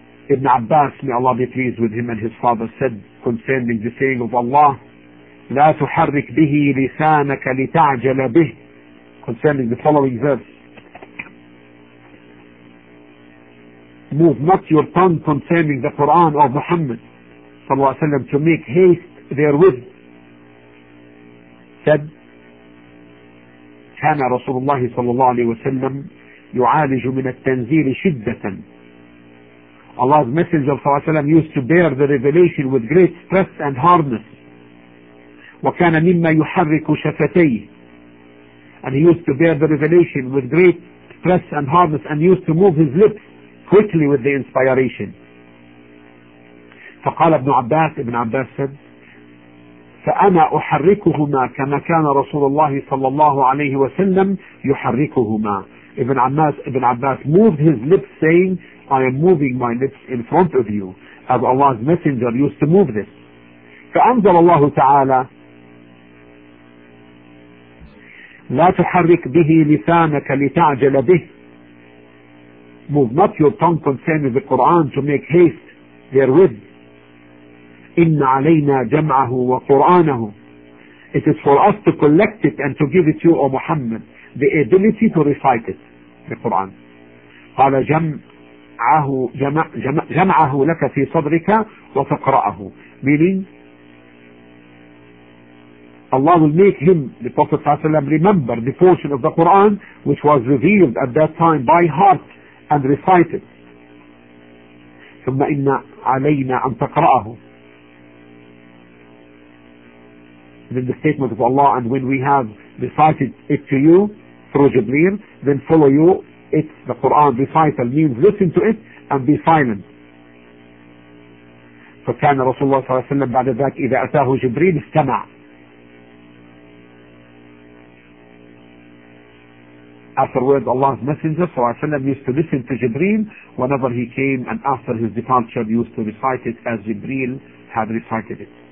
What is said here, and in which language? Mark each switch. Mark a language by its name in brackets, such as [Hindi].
[English] Ibn Abbas, may Allah be pleased with him and his father, said concerning the saying of Allah, [Arabic] لا تحرك به لسانك لتعجل به, [English] concerning the following verse, move not your tongue concerning the Quran of Muhammad صلى الله عليه وسلم to make haste therewith. [Arabic] Said, كان رسول الله صلى الله عليه وسلم يعالج من التنزيل شدة. [English] Allah's Messenger صلى الله عليه وسلم used to bear the revelation with great stress and hardness. [Arabic] وكان مما يحرك شفتيه. [English] And he used to bear the revelation with great stress and hardness and used to move his lips quickly with the inspiration. [Arabic] فقال ابن عباس, ابن عباس said, فأنا أحركهما كما كان رسول الله صلى الله عليه وسلم يحركهما. [English] Ibn Abbas moved his lips saying, I am moving my lips in front of you, as Allah's Messenger used to move this. [Arabic] فأنزل الله تعالى, لا تحرك به لسانك لتعجل به. [English] Move not your tongue concerning the Quran to make haste therewith. [Arabic] إن علينا جمعه وقرآنه. [English] It is for us to collect it and to give it to you, O Muhammad, the ability to recite it, the Quran. [Arabic] قال جمعه, جمعه لك في صدرك وتقرأه. [English] Meaning, Allah will make him, the Prophet ﷺ, remember the portion of the Quran which was revealed at that time by heart and recite it. [Arabic] ثم إن علينا أن تقرأه. [English] Then the statement of Allah, and when we have recited it to you through Jibreel, then follow you. It's the Quran recital means listen to it and be silent. [Arabic] فكان رسول الله صلى الله عليه وسلم بعد ذلك إذا أتاه جبريل استمع. [English] Afterwards, Allah's Messenger صلى الله عليه وسلم used to listen to Jibreel whenever he came, and after his departure used to recite it as Jibreel had recited it.